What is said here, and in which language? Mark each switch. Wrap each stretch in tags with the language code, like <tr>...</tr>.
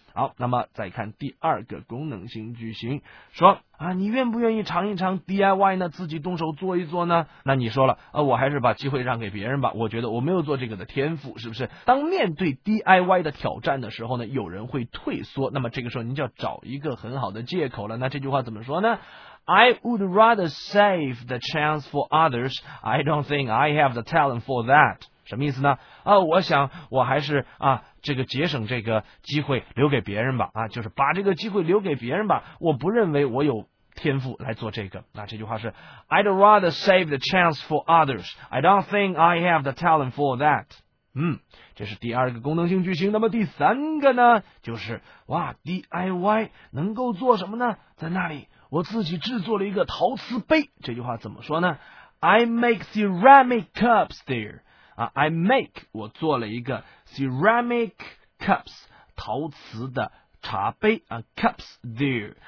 <zh>好，那么再看第二个功能性句型，说啊，你愿不愿意尝一尝 DIY 呢？自己动手做一做呢？那你说了，我还是把机会让给别人吧。我觉得我没有做这个的天赋，是不是？当面对 DIY 的挑战的时候呢，有人会退缩，那么这个时候您就要找一个很好的借口了。那这句话怎么说呢？</zh> <en>I would rather save the chance for others. I don't think I have the talent for that.</en> <zh>什么意思呢？我想我还是这个节省这个机会留给别人吧。就是把这个机会留给别人吧。我不认为我有天赋来做这个。那这句话是</zh> <en>I'd rather save the chance for others. I don't think I have the talent for that.</en> <zh>这是第二个功能性句型。那么第三个呢，就是哇 ,DIY 能够做什么呢？在那里我自己制作了一个陶瓷杯，这句话怎么说呢？</zh> <en>I make ceramic cups there. I make,</en> <zh>我做了一个</zh> <en>ceramic cups,</en> <zh>陶瓷的茶杯啊</zh> <en>,cups there.</en>